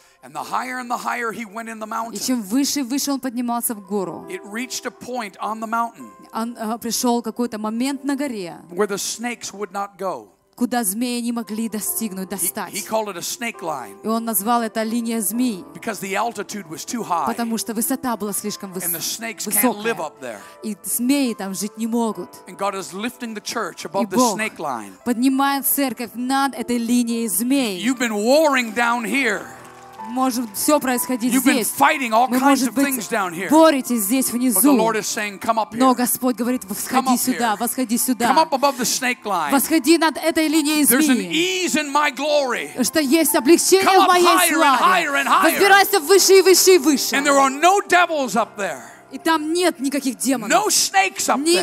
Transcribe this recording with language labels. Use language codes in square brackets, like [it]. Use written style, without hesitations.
[en] And the higher and the higher he went in the mountain. [ru] И чем выше и выше он поднимался в гору. [en] It reached a point on the mountain. [ru] Он пришел какой-то момент на горе. [en] Where the snakes would not go. [ru] Куда змеи не могли достигнуть, достать. [en] He called it a snake line. [ru] И он назвал это линия змей. [en] Because the altitude was too high. [ru] Потому что высота была слишком высокая. [en] And the snakes can't live up there. [ru] И змеи там жить не могут. [en] And God is lifting the church above the snake line. [ru] И Бог поднимает церковь над этой линией змей. [en] You've been warring down here. [ru] Может все происходить [en] You've [ru] здесь. [en] Been fighting all kinds of things down here. [ru] Боретесь здесь внизу. [en] But the Lord is saying, come up here. [ru] Но Господь говорит, восходи сюда, восходи сюда. [en] Come up above the snake line. [ru] Восходи над этой линией змеи. [en] There's an ease in my glory. [ru] Что есть облегчение в моей славе. Возбирайся выше и выше и выше. [en] And there are no devils up there. [ru] И там нет никаких демонов. [en] No snakes up there.